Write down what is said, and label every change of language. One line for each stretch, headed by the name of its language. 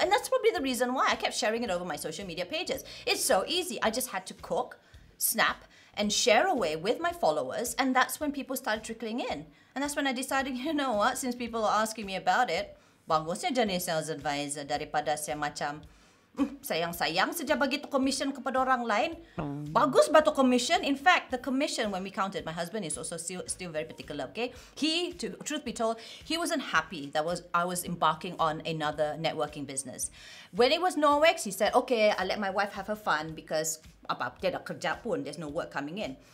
English: And that's probably the reason why I kept sharing it over my social media pages. It's so easy. I just had to cook, snap, and share away with my followers, and that's when people started trickling in. And that's when I decided, you know what, since people are asking me about it,
Malay: bagusnya jadi sales advisor daripada saya macam, Sayang-sayang saja bagi tu commission kepada orang lain. Bagus batu commission.
English: In fact, the commission, when we counted, my husband is also still very particular, okay? He, to truth be told, he wasn't happy that was I was embarking on another networking business. When it was Norwex, he said, okay, I'll let my wife have her fun because
Malay: apa tiada kerja pun,
English: there's no work coming in.